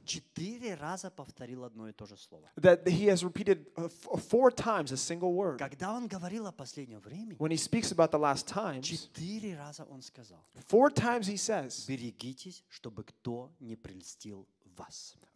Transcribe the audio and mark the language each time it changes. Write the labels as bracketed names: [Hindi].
[Russian] четыре раза повторил одно и то же слово. [English] That he has repeated four times a single word. [Russian] Когда он говорил о последнем времени, [English] when he speaks about the last times, [Russian] четыре раза он сказал, [English] four times he says, [Russian] берегитесь, чтобы кто не прельстил вас.